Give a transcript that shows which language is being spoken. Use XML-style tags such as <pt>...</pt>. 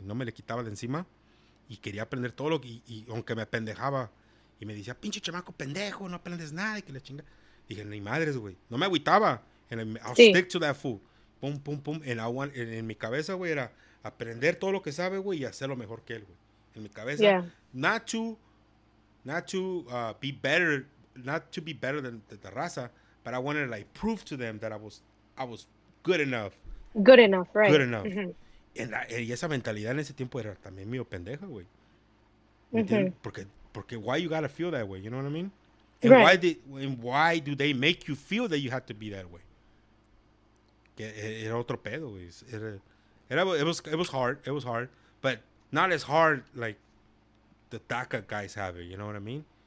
<es>No me le quitaba de encima y quería aprender todo lo que, y aunque me apendejaba y me decía, pinche chamaco pendejo, no aprendes nada y que la chinga. Dije, ni madres, güey. No me agüitaba.</es> <en>I'll</en> <es>Sí.</es> <en>stick to that fool.</en> <es>Pum, pum, pum, en mi cabeza, güey, era aprender todo lo que sabe, güey, y hacerlo mejor que él, güey. En mi cabeza,</es> <en>Yeah. not to be better than the raza, but I wanted to, like, prove to them that I was good enough. Good enough, Good right. enough.</en> <es>Y esa mentalidad en ese tiempo era también mío pendeja, güey. ¿Me entiendes? Porque</es> <en>why you gotta feel that way, you know what I mean? Right. And why do they make you feel that you have to be that way?</en> <es>Era otro pedo, güey.</es> <en>It was hard, it was hard, but not as hard like the DACA guys have it, you know what I mean?</en>